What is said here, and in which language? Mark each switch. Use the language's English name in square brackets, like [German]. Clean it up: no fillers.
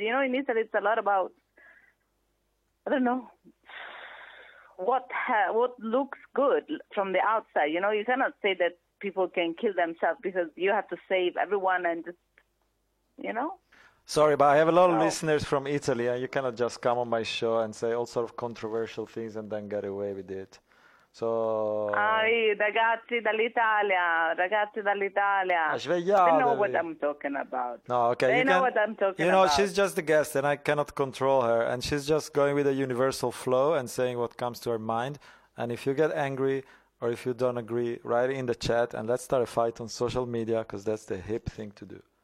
[English] You know, in Italy, it's a lot about, I don't know, what looks good from the outside. You know, you cannot say that people can kill themselves because you have to save everyone and just, you know. Sorry, but I have a lot of listeners from Italy, and you cannot just come on my show and say all sort of controversial things and then get away with it. So. [Italian] Ai, ragazzi dall'Italia, ragazzi dall'Italia. Svegliatevi. [English] They know what I'm talking about. No, okay. They know what I'm talking about. You know, she's just a guest, and I cannot control her. And she's just going with a universal flow and saying what comes to her mind. And if you get angry or if you don't agree, write it in the chat, and let's start a fight on social media, because that's the hip thing to do.